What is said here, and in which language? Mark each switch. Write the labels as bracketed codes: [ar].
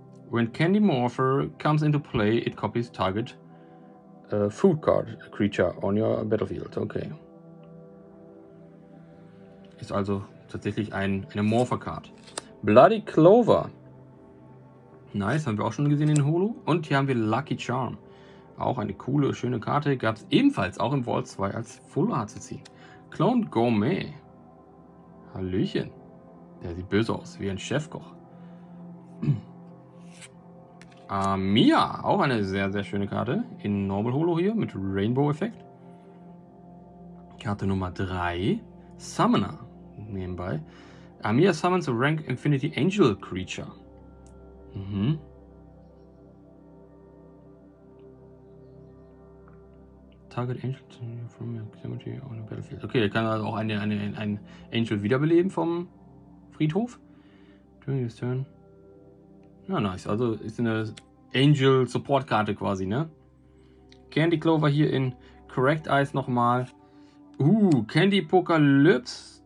[en] When Candy Morpher comes into play, it copies target food card creature on your battlefield. Okay. [de] Ist also tatsächlich eine Morpher-Card. Bloody Clover. Nice, haben wir auch schon gesehen in Holo. Und hier haben wir Lucky Charm. Auch eine coole, schöne Karte. Gab es ebenfalls auch im Vault 2 als Full Art zu ziehen. Clone Gourmet. Hallöchen. Der sieht böse aus, wie ein Chefkoch. Mia, auch eine sehr, sehr schöne Karte. In Normal Holo hier mit Rainbow-Effekt. Karte Nummer 3. Summoner, nebenbei. [en] Amiya summons a Rank Infinity Angel Creature. Mhm. Target Angel from your cemetery on the battlefield. [de] Okay, der kann also auch einen Angel wiederbeleben vom Friedhof. [en] During his turn. [de] Ja, nice. Also ist eine Angel Support Karte quasi, ne? Candy Clover hier in Cracked Eyes nochmal. Candy Apocalypse.